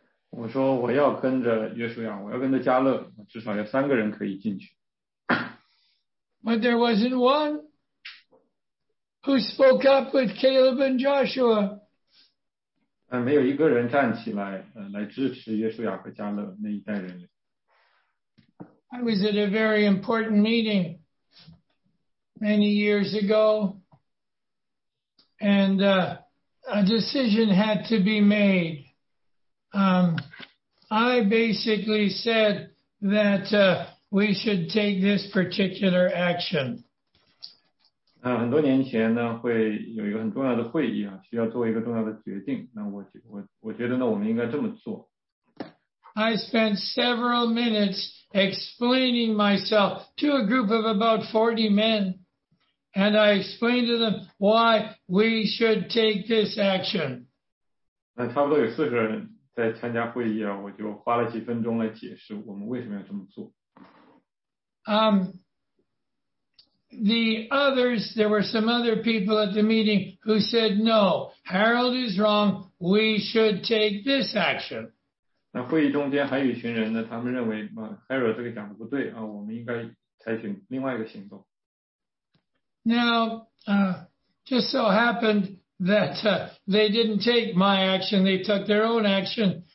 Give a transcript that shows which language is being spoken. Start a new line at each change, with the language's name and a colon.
Chinese: 我说我要跟着约书亚，我要跟着加勒，至少有三个人可以进去。
English: But there wasn't one who spoke up with Caleb and Joshua.
Chinese: 没有一个人站起来来支持约书亚和加勒那一代人。
English: I was at a very important meeting many years ago, and a decision had to be made. I basically said that we should take this particular action.
Chinese: 很多年前呢，会有一个很重要的会议啊，需要做一个重要的决定。那我觉得呢，我们应该这么做。
English: I spent several minutes explaining myself to a group of about 40 men, and I explained to them why we should take this action.
Chinese: 那差不多有40人在参加会议啊，我就花了几分钟来解释我们为什么要这么做。
English: The others, there were some other people at the meeting who said, no, Harold is wrong, we should take this action.
Chinese: 那会议中间还有一群人呢，他们认为Harold 这个讲的不对啊，我们应该采取另外一个行动。
English: Now, just so happened that they didn't take my action, they took their own action.